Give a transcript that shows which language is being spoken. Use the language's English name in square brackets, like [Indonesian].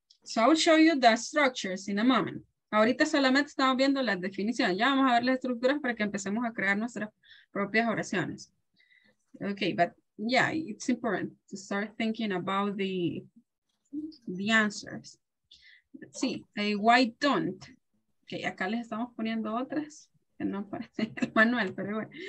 [English] So I'll show you the structures in a moment. [Spanish] Ahorita solamente estamos viendo las definiciones. Ya vamos a ver las estructuras para que empecemos a crear nuestras propias oraciones. [English] Okay, but yeah, it's important to start thinking about the answers. Let's see. Why don't? [Spanish] Okay, acá les estamos poniendo otras que no parece el manual, pero bueno.